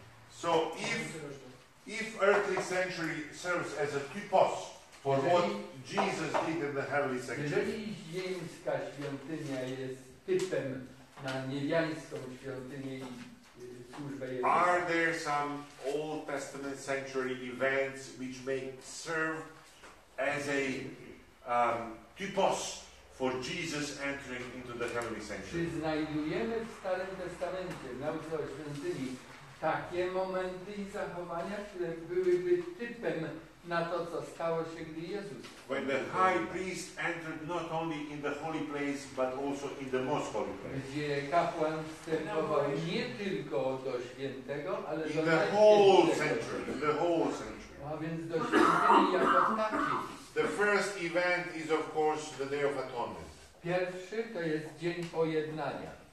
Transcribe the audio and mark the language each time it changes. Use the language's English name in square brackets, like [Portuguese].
[English] So if earthly sanctuary serves as a typos for what Jesus did in the heavenly sanctuary. [Polish] Jeżeli ziemska świątynia jest typem na niebiańską świątynię i służbę Jezusa. [English] Are there some Old Testament sanctuary events which may serve as a typos for Jesus entering into the heavenly sanctuary? [Polish] Czy znajdujemy w Starym Testamencie, w nauce o świątyni, takie momenty i zachowania, które byłyby typem na to, co stało się, gdy Jezus? [English] When the high priest entered not only in the holy place, but also in the most holy place. [Polish] Gdzie kapłan wstępował nie tylko do świętego, ale [English] in the whole sanctuary. In the whole sanctuary. [Polish] A więc do świątyni jako taki. [English] The first event is of course the Day of Atonement. [Polish] Pierwszy to jest Dzień Pojednania.